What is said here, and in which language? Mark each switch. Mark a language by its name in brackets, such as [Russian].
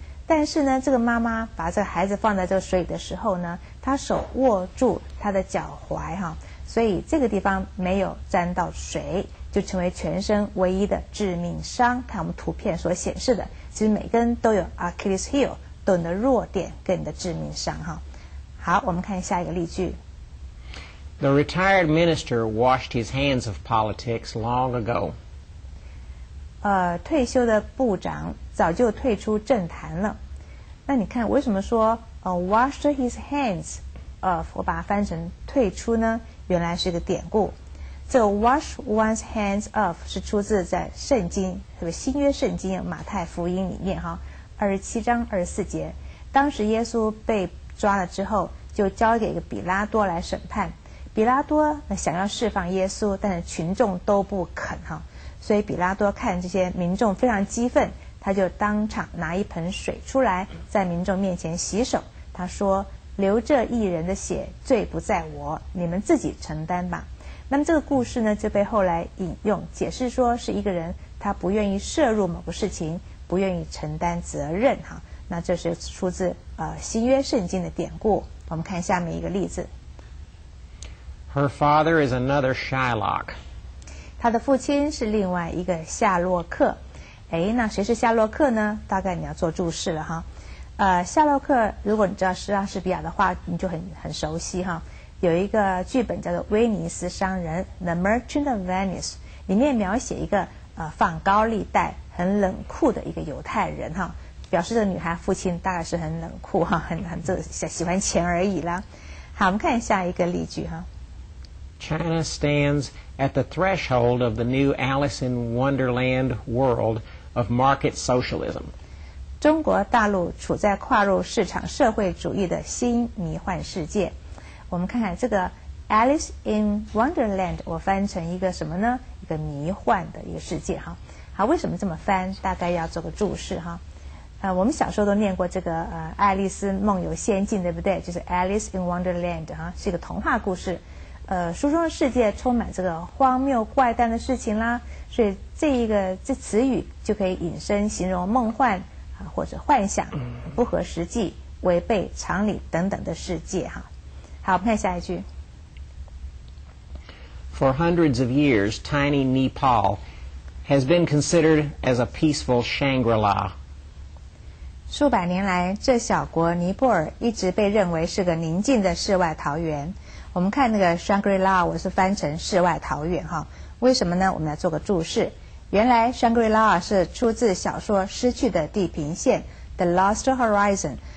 [Chinese] 但是呢，这个妈妈把这个孩子放在这个水里的时候呢，她手握住他的脚踝哈，所以这个地方没有沾到水，就成为全身唯一的致命伤。看我们图片所显示的，其实每个人都有 Achilles heel， 都有你的弱点跟你的致命伤哈。好，我们看下一个例句。 [English] The retired minister washed his hands of politics long ago. [Chinese] 退休的部长早就退出政坛了。那你看，为什么说 washed his hands of，我把它翻成退出呢？原来是个典故。这个 wash one's hands of 是出自在圣经，特别新约圣经马太福音里面哈，27:24。当时耶稣被抓了之后，就交给一个比拉多来审判。比拉多想要释放耶稣，但是群众都不肯哈，所以比拉多看这些民众非常激愤，他就当场拿一盆水出来，在民众面前洗手。他说：“流这一人的血，罪不在我，你们自己承担吧。” 那么这个故事呢，就被后来引用解释说，是一个人他不愿意涉入某个事情，不愿意承担责任哈。那这是出自新约圣经的典故。我们看下面一个例子。 [English] Her father is another Shylock. [Chinese] 他的父亲是另外一个夏洛克。哎，那谁是夏洛克呢？大概你要做注释了哈。夏洛克，如果你知道是莎士比亚的话，你就很熟悉哈。有一个剧本叫做《威尼斯商人》（The Merchant of Venice）， 里面描写一个放高利贷、很冷酷的一个犹太人哈，表示这个女孩父亲大概是很冷酷哈，很这喜欢钱而已啦。好，我们看下一个例句哈。 [English] China stands at the threshold of the new Alice in Wonderland world of market socialism. [Chinese] 中国大陆处在跨入市场社会主义的新迷幻世界。我们看看这个 Alice in Wonderland， 我翻成一个什么呢？一个迷幻的一个世界哈。好，为什么这么翻？大概要做个注释哈。我们小时候都念过这个爱丽丝梦游仙境，对不对？就是 Alice in Wonderland 哈，是一个童话故事。书中的世界充满这个荒谬怪诞的事情啦，所以这词语就可以引申形容梦幻啊，或者幻想、不合实际、违背常理等等的世界哈。好，我们看下一句。 [English] For hundreds of years, tiny Nepal has been considered as a peaceful Shangri-La. [Chinese] 数百年来，这小国尼泊尔一直被认为是个宁静的世外桃源。我们看那个 Shangri-La， 我是翻成世外桃源哈。为什么呢？我们来做个注释。原来 Shangri-La 是出自小说《失去的地平线》（The Lost Horizon）。